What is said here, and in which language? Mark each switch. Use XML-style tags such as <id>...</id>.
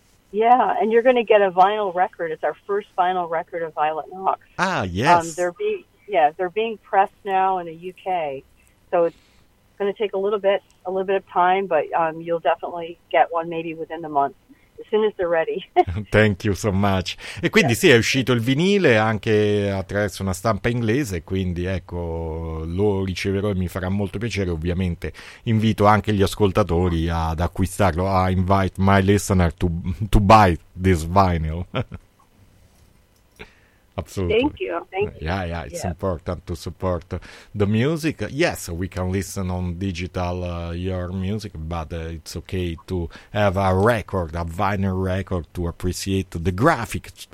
<en>Yeah, and you're going to get a vinyl record. It's our first vinyl record of Violet Knox. Ah, yes. They're being pressed now in the UK, so it's going to take a little bit of time, but you'll definitely get one, maybe within the month, as soon as they're ready. Thank you so much.</en> <it>E quindi yeah. Sì, è uscito il vinile anche attraverso una stampa inglese, quindi ecco, lo riceverò e mi farà molto piacere. Ovviamente invito anche gli ascoltatori ad acquistarlo.</it> <en>I invite my listener to buy this vinyl. Absolutely. Thank you. Yeah, it's important to support the music. Yes, we can listen on digital your music, but it's okay to have a record, a vinyl record, to appreciate the graphic.</en>